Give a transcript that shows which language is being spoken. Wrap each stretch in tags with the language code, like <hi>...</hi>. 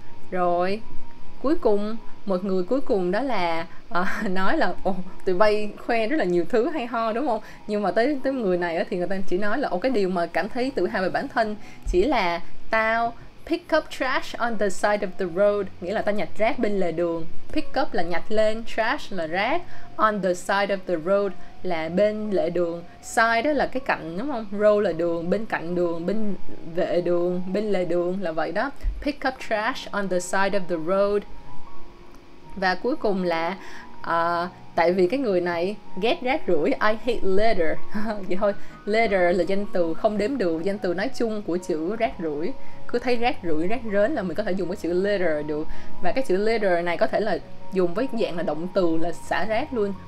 <vi>Rồi cuối cùng, một người cuối cùng đó là nói là ồ, tụi bay khoe rất là nhiều thứ hay ho đúng không, nhưng mà tới tới người này thì người ta chỉ nói là ồ, cái điều mà cảm thấy tự hào về bản thân chỉ là tao</vi> <en>pick up trash on the side of the road,</en> <vi>nghĩa là tao nhặt rác bên lề đường. Pick up là nhặt lên, trash là rác,</vi> <en>on the side of the road</en> <vi>là bên lề đường, side đó là cái cạnh đúng không, road là đường, bên cạnh đường, bên vệ đường, bên lề đường là vậy đó.</vi> <en>Pick up trash on the side of the road.</en> <vi>Và cuối cùng là tại vì cái người này ghét rác rưởi,</vi> <en>I hate litter.</en> <vi>Vậy thôi, litter là danh từ không đếm được, danh từ nói chung của chữ rác rưởi. Cứ thấy rác rưởi, rác rến là mình có thể dùng cái chữ litter được. Và cái chữ litter này có thể là dùng với dạng là động từ là xả rác luôn.</vi>